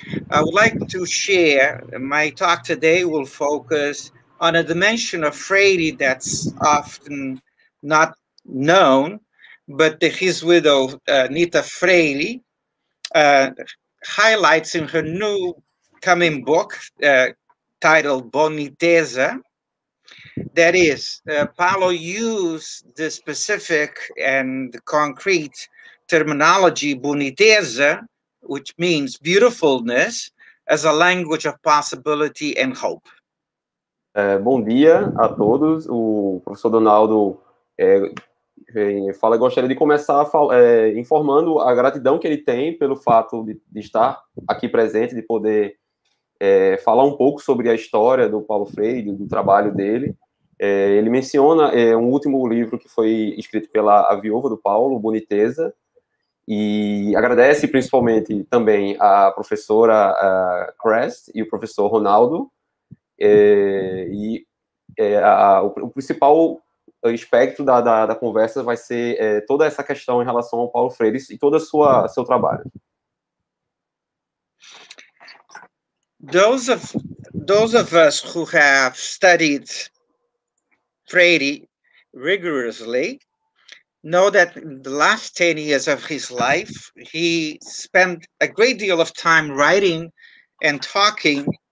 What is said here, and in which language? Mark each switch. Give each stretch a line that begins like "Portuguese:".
English: I would like to share, my talk today will focus on a dimension of Freire that's often not known, but his widow, Nita Freire, highlights in her new coming book titled Boniteza. That is, Paulo used the specific and concrete terminology boniteza, which means beautifulness, as a language of possibility and hope.
Portuguese: Bom dia a todos. O professor Donaldo gostaria de começar informando a gratidão que ele tem pelo fato de estar aqui presente, de poder falar um pouco sobre a história do Paulo Freire, do trabalho dele. Ele menciona um último livro que foi escrito pela a viúva do Paulo, Boniteza. E agradece principalmente também a professora Crest e o professor Ronaldo. O principal aspecto da conversa vai ser toda essa questão em relação ao Paulo Freire e todo o seu trabalho.
English: Those of us who have studied Freire rigorously know that in the last 10 years of his life, he spent a great deal of time writing and talking